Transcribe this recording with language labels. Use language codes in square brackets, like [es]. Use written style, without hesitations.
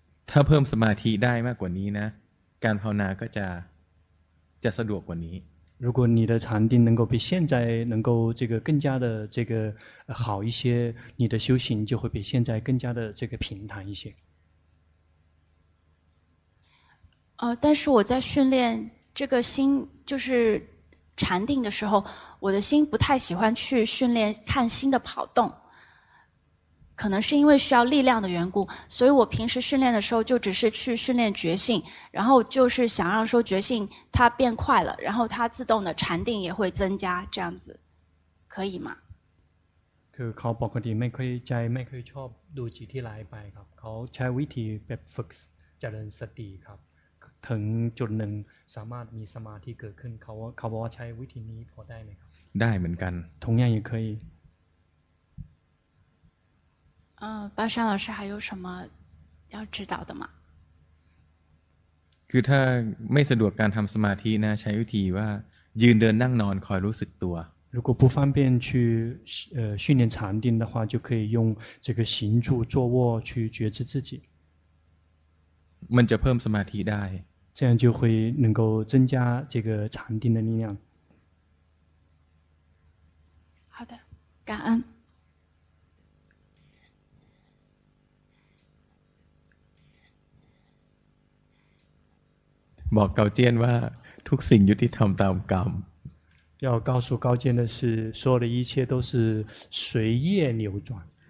[th] ถ้าเพิ่มสมาธิได้มากกว่านี้นะการภาวนาก็จะสะดวกกว่านี้ [zh] 如果你的禅定能够比现在能够这个更加的这个好一些，你的修行就会比现在更加的这个平坦一些。但是我在训练这个心，就是禅定的时候，我的心不太喜欢去训练看心的跑动，可能是因为需要力量的缘故，所以我平时训练的时候就只是去训练觉性，然后就是想让说觉性它变快了，然后它自动的禅定也会增加，这样子可以吗？ [th] คือเขาปกติไม่ค่อยใจไม่ค่อยชอบดูจิตที่ไหลไปครับเขาใช้วิธีแบบฝึกเจริญสติครับถึงจุดหนึ่งสามารถมีสมาธิเกิดขึ้นเขาบอกว่าใช้วิธีนี้พอได้ไหมครับ ได้เหมือนกัน ทุกอย่างยังเคย [zh] 巴山老师还有什么要指导的吗 [th] คือถ้าไม่สะดวกการทำสมาธินะใช้วิธีว่ายืนเดินนั่งนอนคอยรู้สึกตัว [zh] 如果不方便去训练禅定的话，就可以用这个行住坐卧去觉知自己。 [th] มันจะเพิ่มสมาธิได้。 [zh] 这样就会能够增加这个禅定的力量。好的，感恩。 [th] บอกเกาเจียนว่าทุกสิ่งยุติธรรมตามกรรม。 [zh] 要告诉高见的是，所有的一切都是随业扭转。